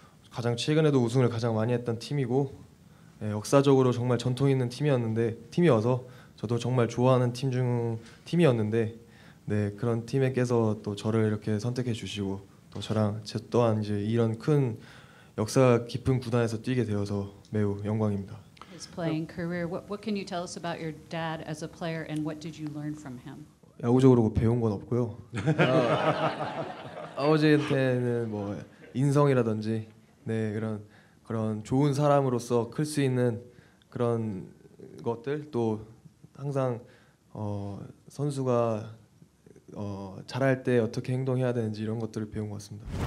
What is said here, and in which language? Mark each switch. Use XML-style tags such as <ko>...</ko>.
<ko>가장 최근에도 우승을 가장 많이 했던 팀이고 네, 역사적으로 정말 전통 있는 팀이어서 저도 정말 좋아하는 팀이었는데 네 그런 팀에게서 또 저를 이렇게 선택해 주시고 또 저랑 제 또한 이제 이런 큰 역사 깊은 구단에서 뛰게 되어서 매우 영광입니다.</ko> <en>His playing career. What can you tell us about your dad as a player and what did you learn from him?</en> <ko>야구적으로 뭐 배운 건 없고요. 아버지한테는 뭐 인성이라든지 네 그런 좋은 사람으로서 클 수 있는 그런 것들 또 항상 선수가 잘할 때 어떻게 행동해야 되는지 이런 것들을 배운 것 같습니다.</ko>